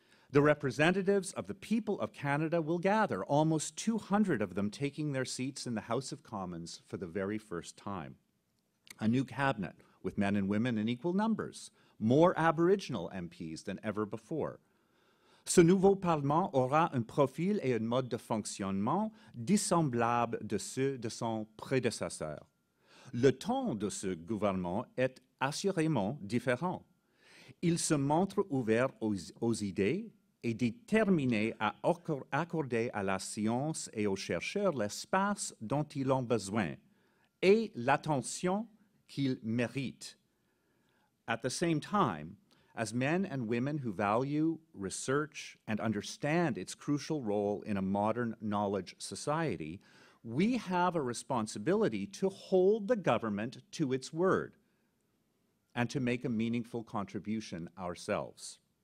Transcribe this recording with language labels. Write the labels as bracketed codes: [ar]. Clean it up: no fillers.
[en] The representatives of the people of Canada will gather, almost 200 of them taking their seats in the House of Commons for the very first time. A new cabinet with men and women in equal numbers, more Aboriginal MPs than ever before. [fr] Ce nouveau parlement aura un profil et un mode de fonctionnement dissemblable de ceux de son prédécesseur. Le ton de ce gouvernement est assurément différent. Il se montre ouvert aux idées et déterminé à accorder à la science et aux chercheurs l'espace dont ils ont besoin et l'attention qu'ils méritent. [en] At the same time, as men and women who value research and understand its crucial role in a modern knowledge society, we have a responsibility to hold the government to its word and to make a meaningful contribution ourselves.